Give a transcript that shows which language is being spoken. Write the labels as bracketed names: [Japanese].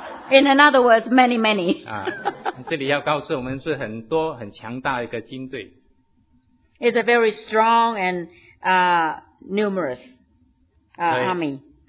[English] In another words, many, many. [Chinese] 这里要告诉我们是很多很强大一个军队。 [English] It's a very strong and, numerous, army.